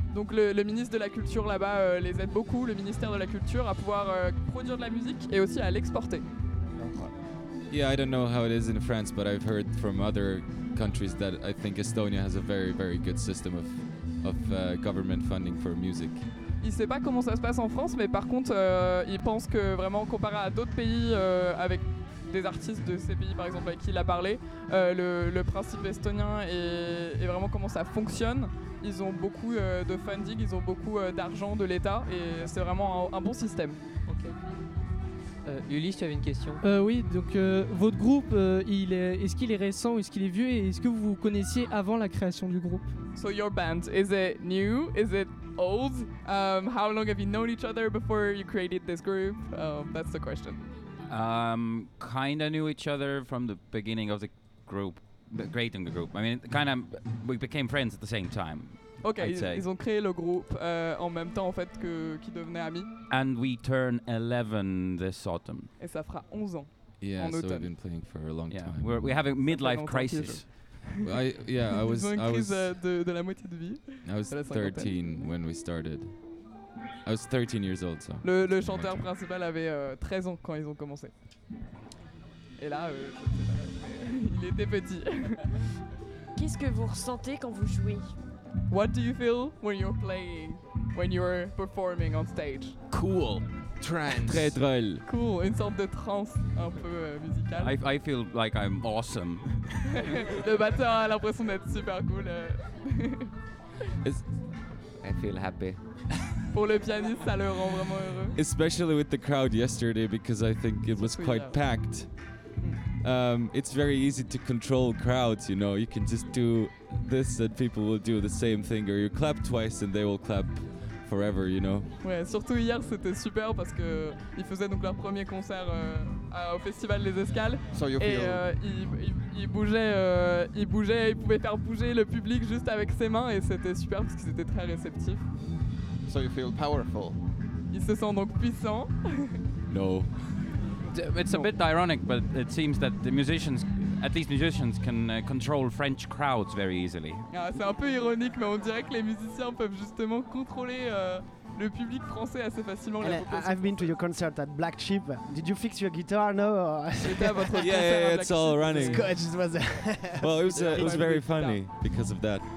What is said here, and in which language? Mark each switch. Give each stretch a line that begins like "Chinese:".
French: Donc le ministre de la culture là-bas les aide beaucoup, le ministère de la culture, à pouvoir produire de la musique et aussi à l'exporter.
English: Yeah, I don't know how it is in France, but I've heard from other countries that I think Estonia has a very very good system of government funding for music.
French: Il ne sait pas comment ça se passe en France, mais par contre, il pense que vraiment, comparé à d'autres pays, avec des artistes de ces pays, par exemple, avec qui il a parlé, le principe estonien est vraiment comment ça fonctionne. Ils ont beaucoup de funding, ils ont beaucoup d'argent de l'État, et c'est vraiment un bon système. Okay. Ulysse, tu avais une question. Oui, donc votre groupe, est-ce qu'il est récent ou est-ce qu'il est vieux, et est-ce que vous vous connaissiez avant la création du groupe?
English: So your band, is it new? Is it old? How long have you known each other before you created this group? That's the question. Kind of knew each other from the beginning of the group, creating the group. I mean, kind of, we became friends at the same time.
French: Okay, ils ont créé le groupe en même temps en fait qu'ils devenaient amis.
English: And we turn 11 this autumn.
French: Et ça fera 11 ans.
English: Yeah,
French: en automne.
English: So we've been playing for a long yeah, time. We're having midlife crisis. I was 13 when we started. I was 13 years old. So.
French: Le chanteur principal avait 13 ans quand ils ont commencé. Et là, il était petit. Qu'est-ce que vous ressentez quand vous jouez?
English: What do you feel when you're playing? when you were performing on stage? Cool. Trance.
French: Très drôle. Cool, une sorte de trance un peu musicale.
English: I feel like I'm awesome.
French: Le batteur a l'impression d'être super cool.
English: I feel happy.
French: Pour le pianiste, ça le rend vraiment heureux.
English: Especially with the crowd yesterday, because I think it was quite packed. It's very easy to control crowds, you know. You can just do this and people will do the same thing, or you clap twice and they will clap forever, you know.
French: Ouais, surtout hier c'était super parce que ils faisaient donc leur premier concert au festival Les Escales.
English: So you
French: et ils bougeaient, ils pouvaient faire bouger le public juste avec ses mains et c'était super parce qu'ils étaient très réceptifs.
English: So you feel powerful.
French: Ils se sentent donc puissants.
English: No. It's a bit ironic, but it seems that the musicians, at least musicians, can control French crowds very easily.
French: Ah, c'est un peu ironique, mais on dirait que les musiciens peuvent justement contrôler le public français assez facilement.
English: I've been to your concert at Black Sheep. Did you fix your guitar? No. Yeah, it's all running. It was well, it was very funny because of that.